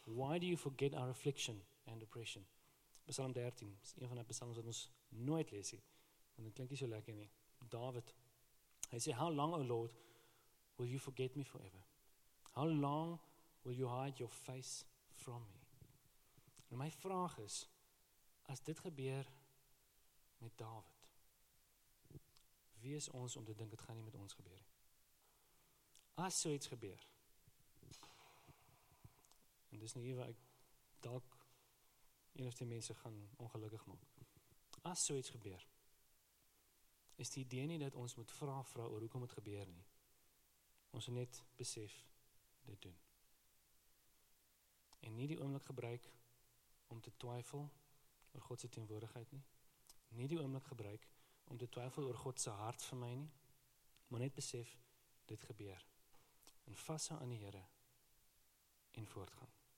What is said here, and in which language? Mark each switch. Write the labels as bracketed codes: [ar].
[en] Why do you forget our affliction and oppression? [af] Psalm 13, is een van die psalms wat ons nooit lees, want dit klink nie so lekker nie. David, Hy sê, [en] how long, O Lord, will you forget me forever? How long will you hide your face from me? [af] En my vraag is, as dit gebeur met David, wie is ons om te dink het gaan nie met ons gebeur? As so iets gebeur, en dis nie hier waar ek dalk een of die mense gaan ongelukkig maak, as so iets gebeur, is die idee nie dat ons moet vraag oor hoekom het gebeur nie. Ons net besef dit doen. En nie die oomblik gebruik om te twyfel oor God se teenwoordigheid nie. Nie die oomblik gebruik om te twyfel oor God se hart vir my nie. Maar net besef dit gebeur. En vashou aan die Here en voortgaan.